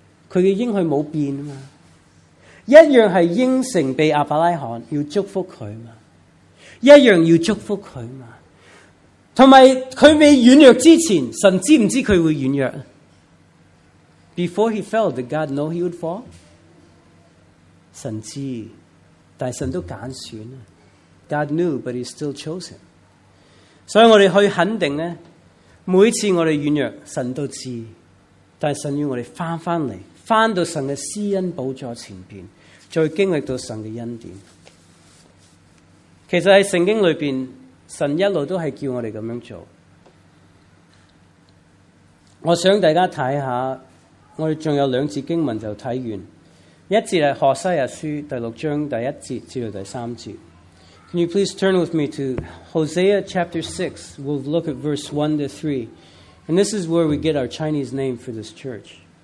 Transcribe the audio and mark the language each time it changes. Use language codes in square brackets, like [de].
[zh] 他的应许没变嘛，一样是应承被亚伯拉罕要祝福他嘛，一样要祝福他嘛。还有他未软弱之前，神知不知道他会软弱？ [en] Before he fell, did God know he would fall? [zh] 神知，但神都拣选了。 [en] God knew, but he still chose him. [zh] 所以我们去肯定呢，每次我们软弱，神都知道，但神要我们回来，回到神的施恩宝座前面，再经历到神的恩典。其实在圣经里面，神一直都是叫我们这样做。我想大家看一下，我们还有两节经文就看完，一节是何西阿书第六章第一节至第三节。 [en] Can you please turn with me to Hosea chapter 6? We'll look at verse 1 to 3. And this is where we get our Chinese name for this church.